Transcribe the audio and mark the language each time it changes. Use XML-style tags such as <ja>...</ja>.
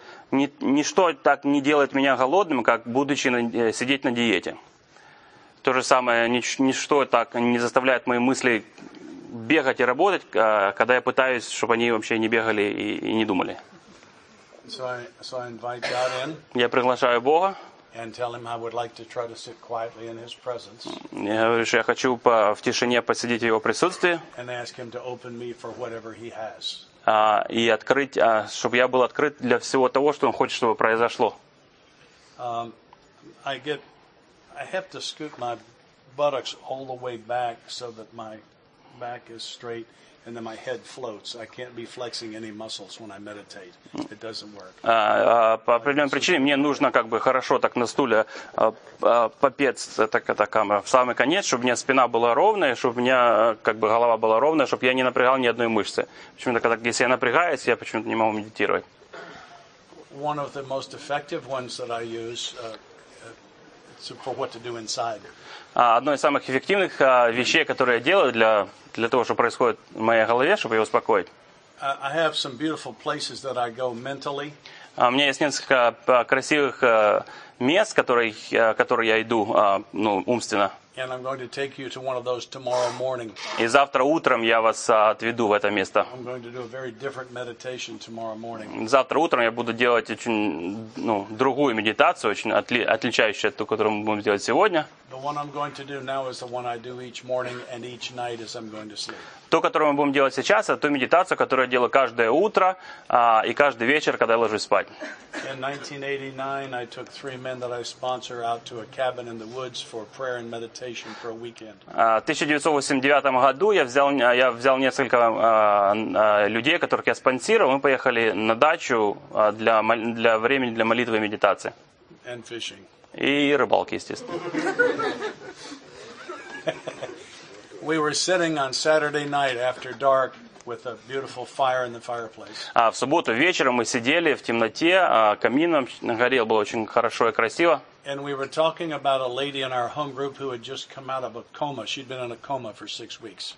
<ru>ничто так не делает меня голодным, как будучи сидеть на диете. То же самое, ничто так не заставляет мои мысли бегать и работать, когда я пытаюсь, чтобы они вообще не бегали и не думали.</ru> <en>So I invite God in.</en> <ru>Я приглашаю Бога.</ru> <en>And tell him I would like to try to sit quietly in his presence.</en> <ru>Я говорю, что я хочу в тишине посидеть в его присутствии.</ru> <en>And ask him to open me for whatever he has.</en> <ru>И открыть, чтобы я был открыт для всего того, что он хочет, чтобы произошло.</ru> <en>I have to scoot my buttocks all the way back so that my back is straight. And then my head floats. I can't be flexing any muscles when I meditate. It doesn't work.</en> <ru>По определенной причине мне нужно как бы хорошо так на стуле попец в самый конец, чтобы у меня спина была ровная, чтобы у меня как бы голова была ровная, чтобы я не напрягал ни одной мышцы. Почему-то когда если я напрягаюсь, я почему-то не могу медитировать.</ru> <en>One of the most effective ones that I use. For what to do inside.</en> <ru>Одно из самых эффективных вещей, которые я делаю для того, что происходит в моей голове, чтобы ее успокоить.</ru> <en>I have some beautiful places that I go mentally.</en> <ru>У меня есть несколько красивых мест, которые я иду, ну, умственно.</ru> <en>And I'm going to take you to one of those tomorrow morning.</en> <ru>И завтра утром я вас отведу в это место.</ru> <en>I'm going to do a very different meditation tomorrow morning.</en> <ru>Завтра утром я буду делать очень, ну, другую медитацию, очень отличающую от той, которую мы будем делать сегодня.</ru> <en>The one I'm going to do now is the one I do each morning and each night as I'm going to sleep.</en> <ru>То, которую мы будем делать сейчас, это ту медитацию, которую я делаю каждое утро и каждый вечер, когда я ложусь спать.</ru> <en>In 1989, I took three men that I sponsor out to a cabin in the woods for prayer and meditation for a weekend.</en> <ru>В 1989 году я взял несколько людей, которых я спонсировал, мы поехали на дачу для времени для молитвы и медитации.</ru> <en>And fishing.</en> <ru>И рыбалки, естественно.</ru> <en>We were sitting on Saturday night after dark with a beautiful fire in the fireplace.</en> <ru>В субботу вечером мы сидели в темноте, камин горел, было очень хорошо и красиво.</ru> <en>And we were talking about a lady in our home group who had just come out of a coma. She'd been in a coma for 6 weeks.</en>